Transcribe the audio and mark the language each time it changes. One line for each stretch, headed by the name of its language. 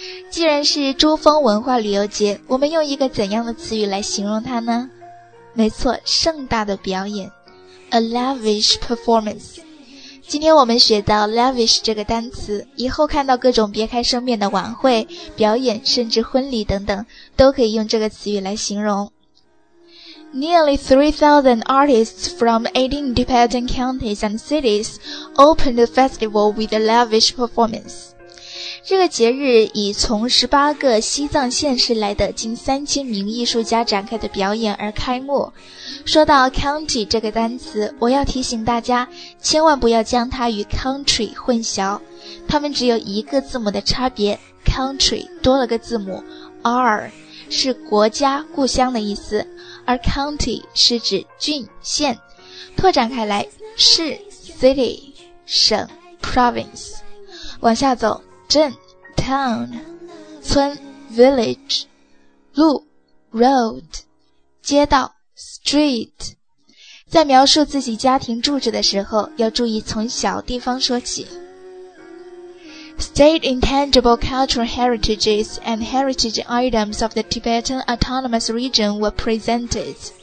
Chinese: 既然是珠峰文化旅游节，我们用一个怎样的词语来形容它呢？没错，盛大的表演，
English: a lavish performance。
Chinese: 今天我们学到 lavish 这个单词，以后看到各种别开生面的晚会、表演，甚至婚礼等等，都可以用这个词语来形容。
English: Nearly 3,000 artists from 18 Tibetan counties and cities opened the festival with a lavish performance.
Chinese: 这个节日以从18个西藏县市来的近3000名艺术家展开的表演而开幕。说到 county 这个单词，我要提醒大家千万不要将它与 country 混淆，它们只有一个字母的差别， country 多了个字母 r， 是国家故乡的意思，而 county 是指郡县，拓展开来市 city 省 province， 往下走镇 town， 村 village， 路 road， 街道Street。在描述自己家庭住址的时候，要注意从小地方说起。
English: State intangible cultural heritages and heritage items of the Tibetan Autonomous Region were presented.